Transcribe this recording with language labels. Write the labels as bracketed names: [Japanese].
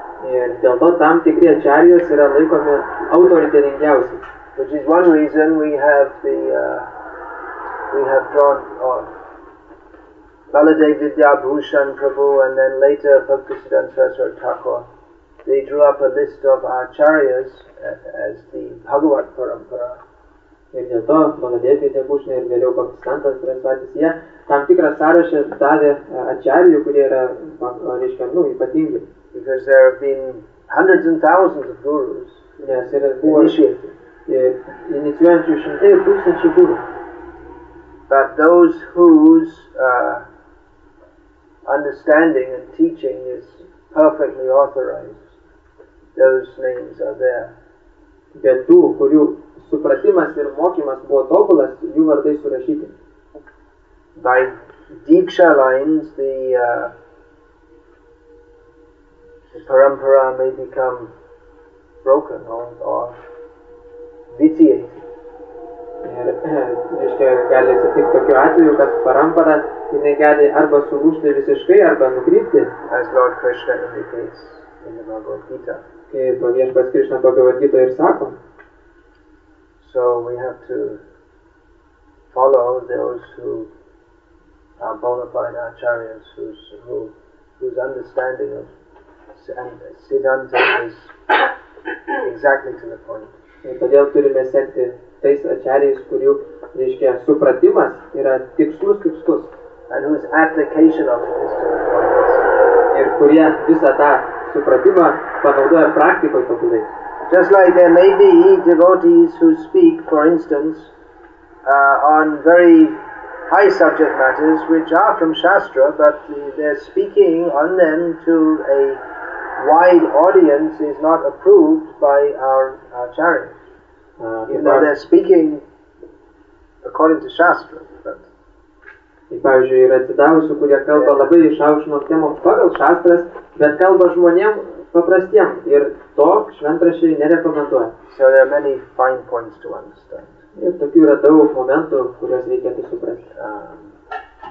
[English] Which is one reason we have the drawn on Baladeva Vidyabhushan Prabhu, and then later Bhaktisiddhanta Saraswati Thakur. They drew up a list of acharyas as the Bhagavat Parampara. [Lithuanian] Ir dėl to Baladeva Vidyabhushan ir vėliau Bhaktisiddhanta Saraswati, jie tam tikrą sąrašą davė acharyų, kurie yra, reiškia, nu, ypatingi. [English] Because there have been hundreds and thousands of gurus. [Lithuanian] Nes yra buvo inicijuojančių šimtai ir tūkstančių gurų. [English] But those whose understanding and teaching is perfectly authorized, those names are there. [Lithuanian] Bet tų, kurių supratimas ir mokymas buvo tobulas, jų vardai surašyti. [English] By Diksha lines, the parampara may become broken or vitiated. [Lithuanian] Ir, reiškia, gali atsitikti tokiu atveju, kad parampara, jinai gali arba sulūžti visiškai, arba nukrypti. [English] As Lord Krishna indicates in the Bhagavad Gita. [Lithuanian] Kaip Viešpats Krishna Bhagavad Gita ir sako. [English] So we have to follow those who are bona fide acharyas, whose understanding of Siddhanta is exactly to the point. [Lithuanian] Todėl turime sekti tais acharyais, kurių, reiškia, supratimas yra tikslus, tikslus. [English] And whose application of it is to the point. [Lithuanian] Ir kurie visą tą supratimą panaudoja praktikoje tobulai. [English] Just like there may be devotees who speak, for instance, on very high subject matters, which are from Shastra, but their speaking on them to a wide audience is not approved by our acharya. Even though they're speaking according to Shastra, but... [Lithuanian] Ir, pavyzdžiui, yra atsidavusių, kurie kalba labai išaukštino temą pagal Shastras, bet kalba žmonėm paprastiem, ir to šventrašiai nerekomenduoja. [English] So there are many fine points to understand. [Lithuanian] Ir tokių yra daug momentų, kuriuos reikėtų suprasti.